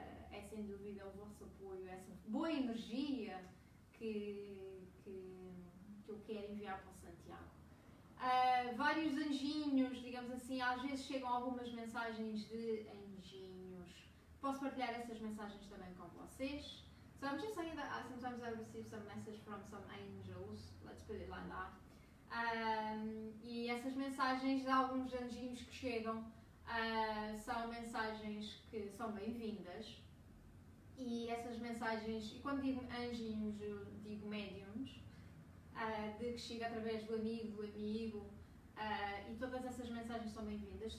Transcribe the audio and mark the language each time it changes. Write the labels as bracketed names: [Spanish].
[Portuguese] É sem dúvida o vosso apoio, essa boa energia que eu quero enviar para o Santiago. Vários anjinhos, digamos assim, às vezes chegam algumas mensagens de anjinhos. Posso partilhar essas mensagens também com vocês. [English] So I'm just saying that sometimes I receive some messages from some angels, let's put it like that. [Portuguese] E essas mensagens de alguns anjinhos que chegam são mensagens que são bem-vindas. E essas mensagens, e quando digo anjinhos, eu digo médiums, de que chega através do amigo, e todas essas mensagens são bem-vindas.